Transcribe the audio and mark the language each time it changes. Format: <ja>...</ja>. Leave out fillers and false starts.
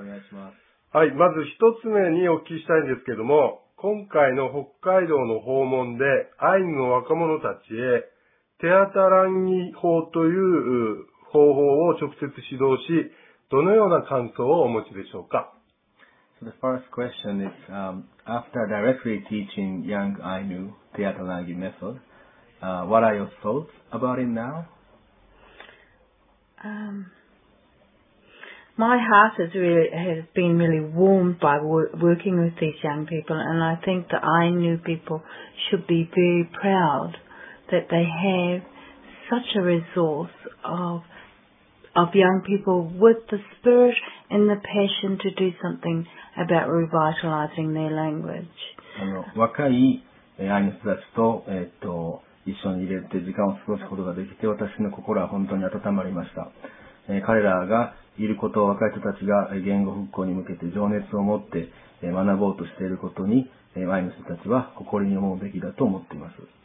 <ja>お願いします。はい、まず一つ目にお聞きしたいんですけども、今回の北海道の訪問でアイヌの若者たちへテアタランギ法という方法を直接指導し、どのような感想をお持ちでしょうか。</ja> <en>So the first question is, after directly teaching young Ainu テアタランギ method, what are your thoughts about it now? My heart has been really warmed by working with these young people, and I think the Ainu people should be very proud that they have such a resource of young people with the spirit and the passion to do something about revitalizing their language.</en> <ja>若いアイヌたちと、一緒に入れて時間を過ごすことができて、私の心は本当に温まりました。彼らがいることを、若い人たちが言語復興に向けて情熱を持って学ぼうとしていることに、アイヌたちは誇りに思うべきだと思っています。</ja>